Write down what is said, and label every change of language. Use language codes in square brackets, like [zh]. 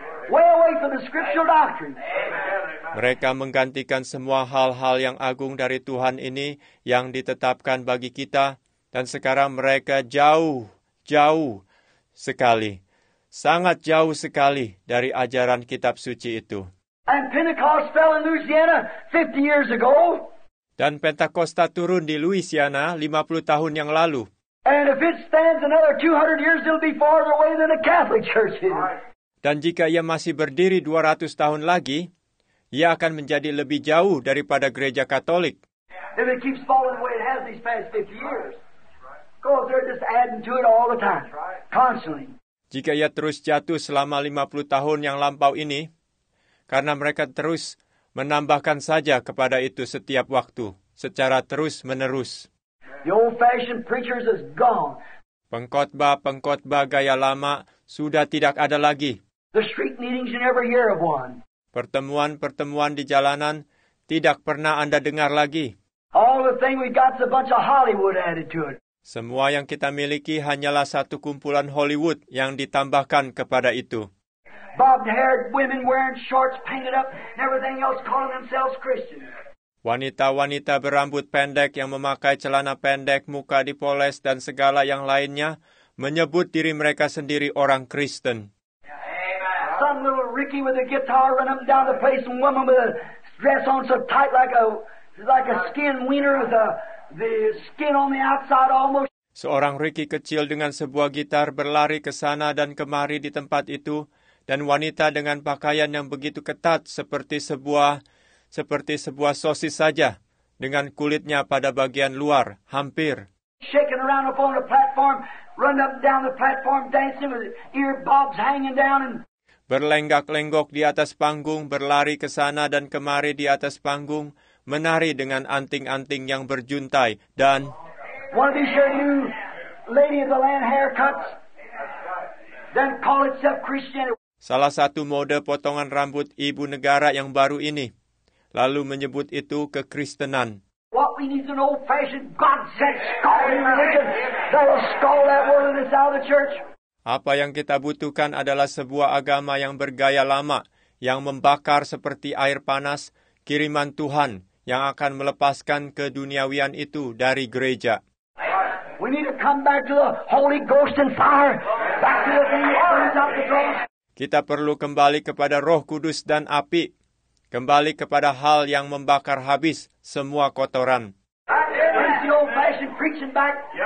[en] Way away from the scriptural doctrine. [id] Mereka menggantikan semua hal-hal yang agung dari Tuhan ini yang ditetapkan bagi kita, dan sekarang mereka jauh, jauh sekali, sangat jauh sekali dari ajaran kitab suci itu. [en] And Pentecost fell in Louisiana 50 years ago. [id] Dan Pentakosta turun di Louisiana 50 tahun yang lalu. [en] And if it stands another 200 years, it'll be farther away than the Catholic Church is. [id] Dan jika ia masih berdiri 200 tahun lagi, ia akan menjadi lebih jauh daripada gereja Katolik. [en] If it keeps falling the way it has these past 50 years. Because they're just adding to it all the time. Constantly. [id] Jika ia terus jatuh selama 50 tahun yang lampau ini, karena mereka terus menambahkan saja kepada itu setiap waktu, secara terus-menerus. [en] The old-fashioned preachers is gone. [id] Pengkhotbah-pengkhotbah gaya lama sudah tidak ada lagi. [en] The street meetings you never hear of one. [id] Pertemuan-pertemuan di jalanan tidak pernah Anda dengar lagi. [en] All the thing we got's a bunch of Hollywood added to it. [id] Semua yang kita miliki hanyalah satu kumpulan Hollywood yang ditambahkan kepada itu. [en] Bobbed-haired women wearing shorts painted up and everything else calling themselves Christians. [id] Wanita-wanita berambut pendek yang memakai celana pendek, muka dipoles dan segala yang lainnya menyebut diri mereka sendiri orang Kristen. [en] Amen. Some little Ricky with a guitar running up and down the place and woman with a dress on so tight like a skin wiener with a the skin on the outside almost. [id] Seorang Ricky kecil dengan sebuah gitar berlari ke sana dan kemari di tempat itu, dan wanita dengan pakaian yang begitu ketat seperti sebuah sosis saja, dengan kulitnya pada bagian luar, hampir. [en] Shaking around up on the platform, run up down the platform, dancing with ear bobs hanging down and. [id] Berlenggak-lenggok di atas panggung, berlari ke sana dan kemari di atas panggung, menari dengan anting-anting yang berjuntai dan. [en] One of these new lady of the land haircuts, then call itself Christian. [id] Salah satu mode potongan rambut ibu negara yang baru ini, lalu menyebut itu kekristenan. [en] What we need is an old-fashioned God-sent scolding religion that will scold that word of this out of the church. [id] Apa yang kita butuhkan adalah sebuah agama yang bergaya lama, yang membakar seperti air panas, kiriman Tuhan yang akan melepaskan keduniawian itu dari gereja. [en] We need to come back to the Holy Ghost and fire, back to the thing that burns up the cross. [id] Kita perlu kembali kepada Roh Kudus dan api, kembali kepada hal yang membakar habis semua kotoran. [en] Bring the old-fashioned preaching back.